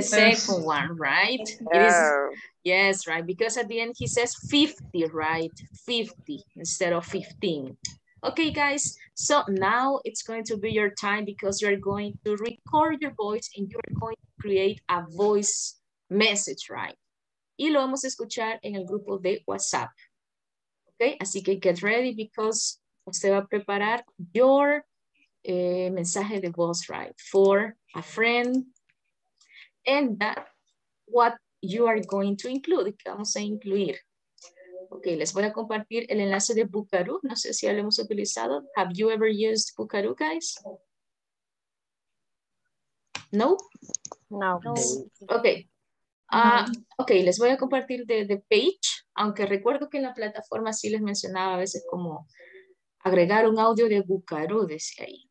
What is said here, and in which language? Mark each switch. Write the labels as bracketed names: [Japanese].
[English] Is this one the first one, the second one, right? Yes, right, because at the end he says 50, right? 50 instead of 15. Okay, guys, so now it's going to be your time because you're going to record your voice and you're going to create a voice message, right? [Spanish] Y lo vamos a escuchar en el grupo de WhatsApp. Okay, así que [English] get ready because [Spanish] usted va a preparar [English] your [Spanish] mensaje de voz, right? [English] For a friend and that what you are going to include, [Spanish] que vamos a incluir. Ok, les voy a compartir el enlace de Bucaru. No sé si ya lo hemos utilizado. [English] Have you ever used Bucaru, guys? [Spanish] No? No. Ok. Ok, les voy a compartir de page. Aunque recuerdo que en la plataforma sí les mencionaba a veces como agregar un audio de Bucaru, decía ahí.